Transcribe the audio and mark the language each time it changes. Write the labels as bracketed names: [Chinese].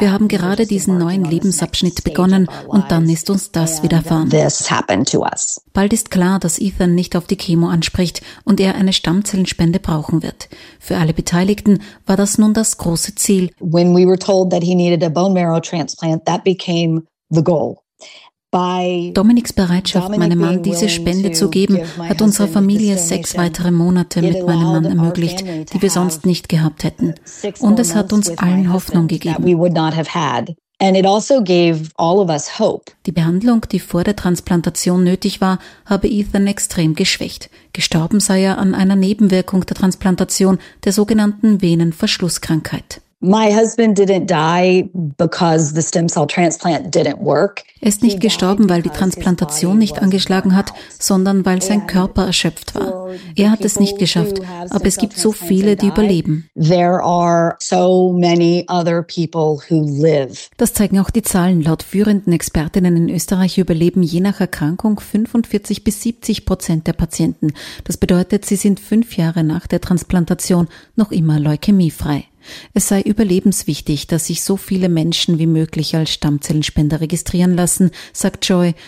[German] wir haben gerade diesen neuen Lebensabschnitt begonnen und dann ist uns das widerfahren. [English] This happened to us. [German] Bald ist klar, dass Ethan nicht auf die Chemo anspricht und er eine Stammzellenspende brauchen wird. Für alle Beteiligten war das nun das große Ziel. [English] When we were told that he needed a bone marrow transplant, that became the goal. [German] Dominiks Bereitschaft, meinem Mann diese Spende zu geben, hat unserer Familie 6 weitere Monate mit meinem Mann ermöglicht, die wir sonst nicht gehabt hätten. Und es hat uns allen Hoffnung gegeben. [English] And it also gave all of us hope. [German] Die Behandlung, die vor der Transplantation nötig war, habe Ethan extrem geschwächt. Gestorben sei er an einer Nebenwirkung der Transplantation, der sogenannten Venenverschlusskrankheit. [English] My husband didn't die because the stem cell transplant didn't work. [German] Er ist nicht gestorben, weil die Transplantation nicht angeschlagen hat, sondern weil sein Körper erschöpft war. Er hat es nicht geschafft, aber es gibt so viele, die überleben. [English] There are so many other people who live. [German] Das zeigen auch die Zahlen. Laut führenden Expertinnen in Österreich überleben je nach Erkrankung 45-70% der Patienten. Das bedeutet, sie sind 5 Jahre nach der Transplantation noch immer leukämiefrei. Es sei überlebenswichtig, dass sich so viele Menschen wie möglich als Stammzellenspender registrieren lassen, sagt Joy.